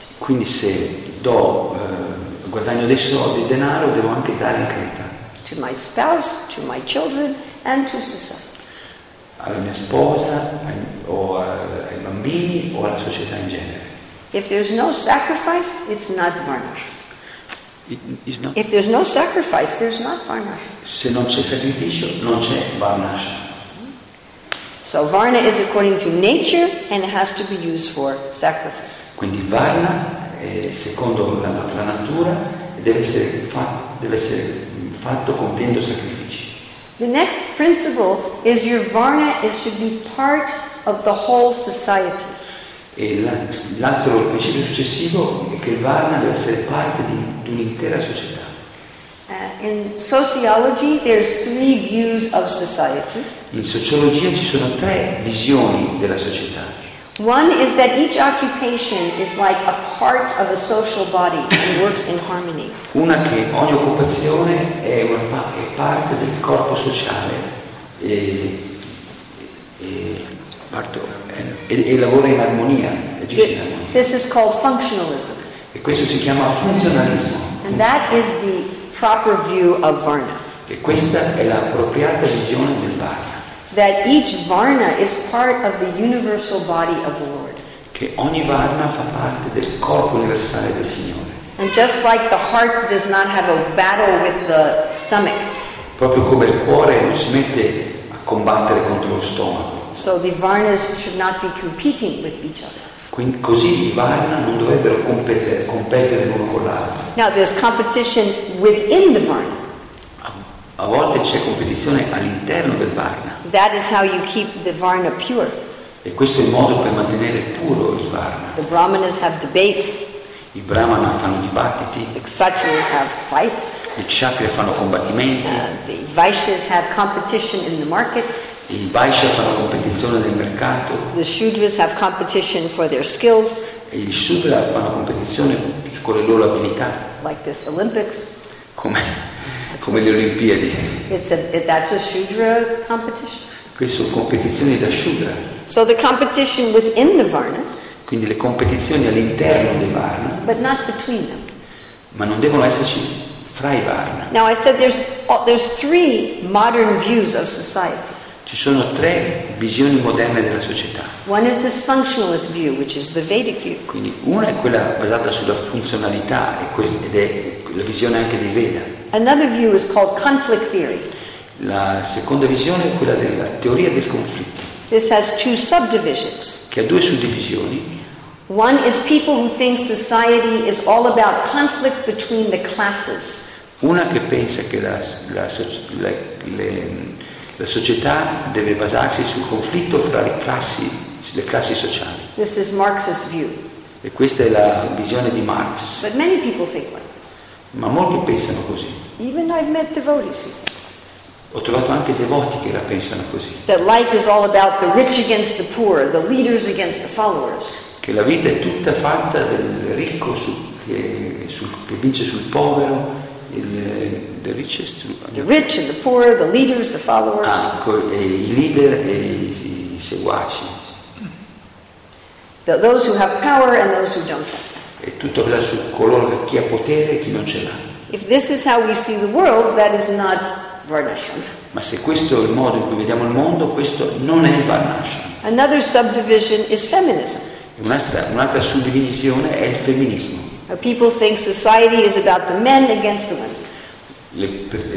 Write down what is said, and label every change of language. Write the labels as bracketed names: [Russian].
[Italian] Quindi se do guadagno dei soldi, denaro, devo anche dare in carità. [English] To my spouse, to my children, and to society. [Italian] Alla mia sposa, ai bambini o alla società in genere. [English] If there's no sacrifice, it's not varnish. If there's no sacrifice, there's not varnasha. [Italian] Se non c'è sacrificio, non c'è varnasha. [English] So varna is according to nature and it has to be used for sacrifice. [Italian] Quindi varna è secondo la nostra natura e deve essere fatto compiendo sacrifici. [English] The next principle is your varna is to be part of the whole society. [Italian] E l'altro principio successivo è che il varna deve essere parte di un'intera società. [English] In sociology there's three views of society. [Italian] In sociologia ci sono tre visioni della società. [English] One is that each occupation is like a part of a social body and works in harmony. [Italian] Una che ogni occupazione è parte del corpo sociale e lavora in armonia, agisce in armonia. [English] This is called functionalism. [Italian] E questo si chiama funzionalismo. [English] And that is the proper view of varna. [Italian] E questa è l'appropriata visione del varna. [English] That each varna is part of the universal body of the Lord. [Italian] Che ogni varna fa parte del corpo universale del Signore. [English] And just like the heart does not have a battle with the stomach. [Italian] Proprio come il cuore non si mette a combattere contro lo stomaco. [English] So the varnas should not be competing with each other. [Italian] Quindi così i varna non dovrebbero competere l'uno con l'altro. [English] Now there's competition within the varna. [Italian] A volte c'è competizione all'interno del varna. [English] That is how you keep the varna pure. [Italian] E questo è il modo per mantenere puro il varna. [English] The brahmanas have debates. [Italian] I brahmana fanno dibattiti. [English] The kshatriyas have fights. [Italian] I kshatriya fanno combattimenti. [English] The vaishyas have competition in the market. [Italian] I vaishya fanno competizione nel mercato. [English] The shudras have competition for their skills. [Italian] E gli shudra fanno competizione con le loro abilità. [English] Like this Olympics. [Italian] Come le Olimpiadi. [English] That's a shudra competition. [Italian] Questo competizioni da shudra. [English] So the competition within the varnas. [Italian] Quindi le competizioni all'interno dei varna. [English] But not between them. [Italian] Ma non devono esserci fra i varna. [English] Now I said there's three modern views of society. [Italian] Ci sono tre visioni moderne della società. [English] One is this functionalist view, which is the Vedic view. [Italian] Quindi una è quella basata sulla funzionalità ed è la visione anche di Veda. [English] Another view is called conflict theory. [Italian] La seconda visione è quella della teoria del conflitto. [English] This has two subdivisions. [Italian] Che ha due suddivisioni. [English] One is people who think society is all about conflict between the classes. [Italian] Una che pensa che la società deve basarsi sul conflitto fra le classi sociali. [English] This is Marx's view. [Italian] E questa è la visione di Marx. [English] But many people think like this. [Italian] Ma molti pensano così. [English] Even I've met devotees. [Italian] Ho trovato anche devoti che la pensano così. [English] That life is all about the rich against the poor, the leaders against the followers. [Italian] Che la vita è tutta fatta del ricco che vince sul povero, [English] the richest. The rich and the poor, the leaders, the followers. [Italian] Ah, i leader e i seguaci. [English] Those who have power and those who don't have. [Italian] E tutto là su coloro chi ha potere e chi non ce l'ha. [English] If this is how we see the world, that is not varnashram. [Italian] Ma se questo è il modo in cui vediamo il mondo, questo non è varnashram. [English] Another subdivision is feminism. [Italian] Un'altra suddivisione è il femminismo. [English] People think society is about the men against the women.